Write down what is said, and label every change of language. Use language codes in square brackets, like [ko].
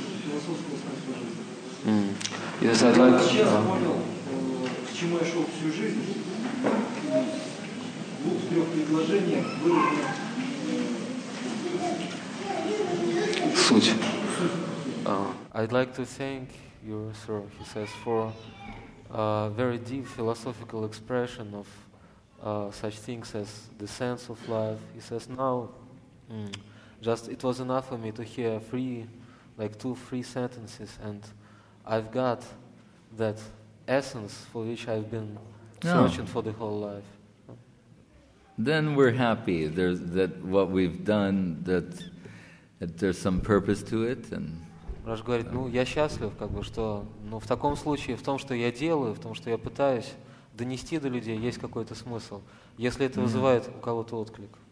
[ru] Очень самая четкая передача философского смысла жизни. Я сейчас понял, к чему я шел всю жизнь. В двух-трех предложениях выражена суть. [en] I'd like to thank you, sir, he says, for a very deep philosophical expression of such things as the sense of life. He says, now, just it was enough for me to hear two, three sentences, and I've got that essence for which I've been searching for the whole life. Then we're happy that what we've done, that there's some purpose to it, and [ru] Раш говорит, я счастлив, что в таком случае, в том, что я делаю, в том, что я пытаюсь донести до людей, есть какой-то смысл, если это вызывает у кого-то отклик.